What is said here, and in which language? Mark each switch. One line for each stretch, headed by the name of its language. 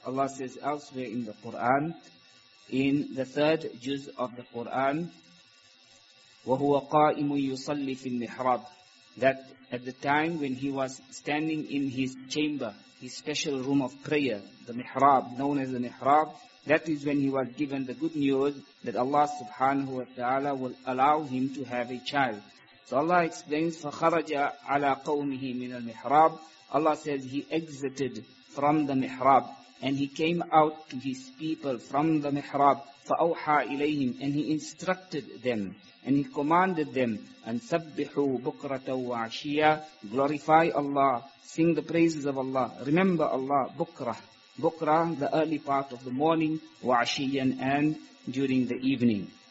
English: Allah says elsewhere in the Quran, in the 3rd juz of the Quran,
Arabic: وَهُوَ قَائِمٌ يُصَلِّ فِي الْمِحْرَابِ,
English: that at the time when he was standing in his chamber, his special room of prayer, the mihrab, known as the mihrab, that is when he was given the good news that Allah Subhanahu Wa Ta'ala will allow him to have a child. So Allah explains,
Arabic: فَخَرَجَ عَلَىٰ قَوْمِهِ مِنَ الْمِحْرَابِ.
English: Allah says he exited from the mihrab and he came out to his people from the mihrab.
Arabic: فَأَوْحَىٰ إِلَيْهِمْ,
English: and he instructed them and he commanded them,
Arabic: أَنْ سَبِّحُوا بُكْرَةً وَعَشِيًّا,
English: glorify Allah, sing the praises of Allah, remember Allah, بُكْرَة, the early part of the morning,
Arabic: وَعَشِيًّا,
English: and during the evening.